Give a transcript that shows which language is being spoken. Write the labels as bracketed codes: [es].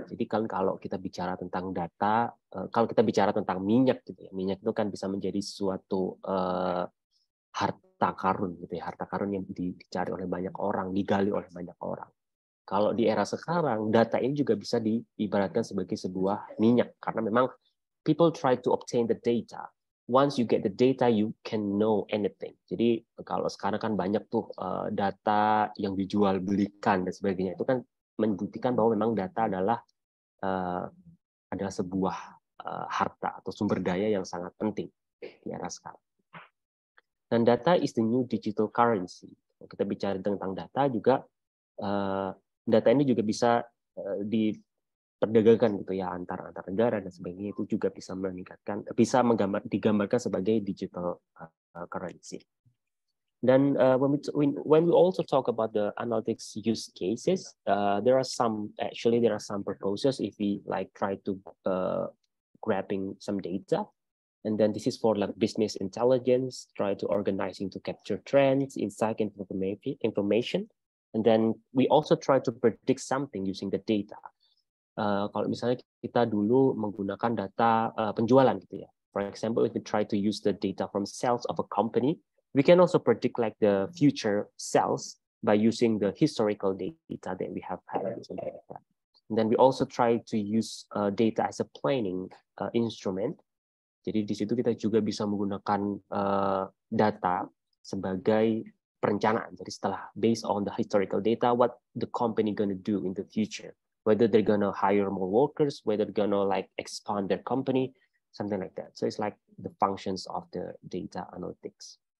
[id] Jadi kalau kita bicara tentang data, kalau kita bicara tentang minyak gitu ya, minyak itu kan bisa menjadi suatu harta karun gitu ya, harta karun yang dicari oleh banyak orang, digali oleh banyak orang. Kalau di era sekarang, data ini juga bisa diibaratkan sebagai sebuah minyak, karena memang [en] people try to obtain the data. Once you get the data, you can know anything. [id] Jadi kalau sekarang kan banyak tuh data yang dijual belikan dan sebagainya, itu kan membuktikan bahwa memang data adalah sebuah harta atau sumber daya yang sangat penting di era sekarang. Dan [en] data is the new digital currency. [id] Kalau kita bicara tentang data juga, data ini juga bisa diperdagangkan gitu ya, antar negara dan sebagainya, itu juga bisa meningkatkan, bisa digambarkan sebagai digital currency. [en] Dan when we also talk about the analytics use cases, there are some purposes if we like try to grabbing some data. And then this is for like business intelligence, try to organizing to capture trends, insight and information. And then we also try to predict something using the data. [id] Kalau misalnya kita dulu menggunakan data penjualan gitu ya. [en] For example, if we try to use the data from sales of a company, we can also predict like the future sales by using the historical data that we have had. And then we also try to use data as a planning instrument. [id] Jadi di situ kita juga bisa menggunakan data sebagai perencanaan. Jadi setelah [en] based on the historical data, what the company gonna do in the future, whether they're gonna hire more workers, whether they're gonna like expand their company, something like that. So it's like the functions of the data analytics.